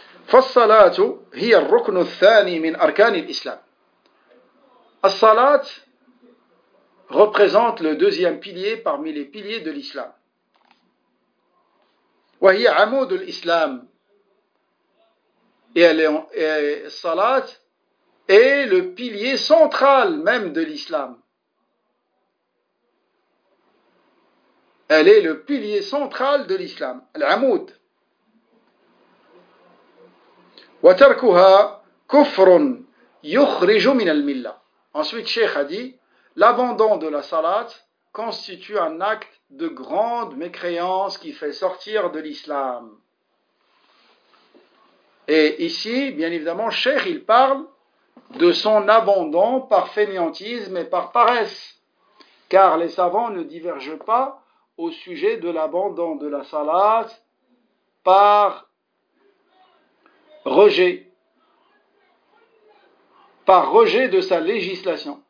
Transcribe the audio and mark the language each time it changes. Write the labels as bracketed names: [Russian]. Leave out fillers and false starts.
[Arabic] فالصلاة هي الركن الثاني من أركان الإسلام. [French] الصلاة représente le deuxième pilier parmi les piliers de l'islam. [Arabic] وهي عمود الإسلام. [French] الصلاة est le pilier central même de l'islam. Elle est le pilier central de l'islam. [Arabic] العمود. وتركها كفر يخرج من الملة. [French] Ensuite, Cheikh a dit, l'abandon de la salat constitue un acte de grande mécréance qui fait sortir de l'islam. Et ici, bien évidemment, Cheikh, il parle de son abandon par fainéantisme et par paresse, car les savants ne divergent pas au sujet de l'abandon de la salat par rejet, par rejet de sa législation.